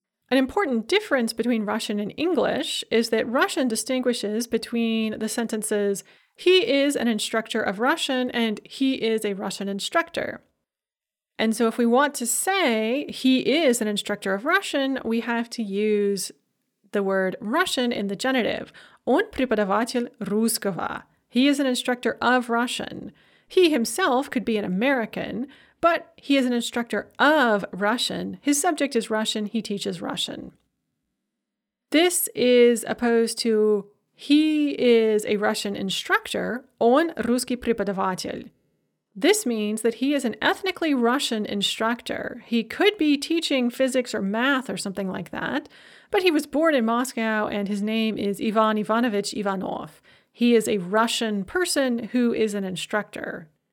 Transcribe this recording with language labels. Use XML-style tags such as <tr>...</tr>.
<en>An important difference between Russian and English is that Russian distinguishes between the sentences «he is an instructor of Russian» and «he is a Russian instructor». And so if we want to say he is an instructor of Russian, we have to use the word Russian in the genitive.</en> <ru>Он преподаватель русского.</ru> <en>He is an instructor of Russian. He himself could be an American, but he is an instructor of Russian. His subject is Russian. He teaches Russian. This is opposed to he is a Russian instructor.</en> <ru>Он русский преподаватель.</ru> <en>This means that he is an ethnically Russian instructor. He could be teaching physics or math or something like that, but he was born in Moscow and his name is Ivan Ivanovich Ivanov. He is a Russian person who is an instructor.</en>